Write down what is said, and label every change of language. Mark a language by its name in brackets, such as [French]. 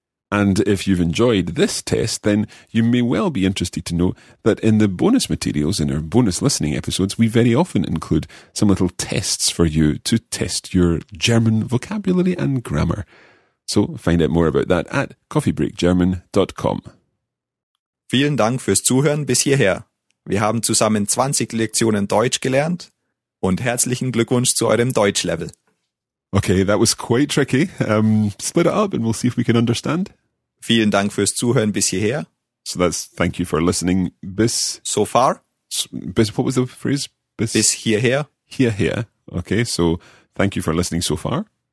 [English] And if you've enjoyed this test, then you may well be interested to know that in the bonus materials in our bonus listening episodes, we very often include some little tests for you to test your German vocabulary and grammar. So find out more about that at coffeebreakgerman.com. [German] Vielen Dank fürs Zuhören bis hierher. Wir haben zusammen 20 Lektionen Deutsch gelernt und herzlichen Glückwunsch zu eurem Deutschlevel. [English] Okay, that was quite tricky. Split it up and we'll see if we can understand. [German] Vielen Dank fürs Zuhören bis hierher. [English] So that's thank you for listening bis... So far. Bis, what was the phrase? [German] Bis hierher. [English] Hierher. Okay, so thank you for listening so far.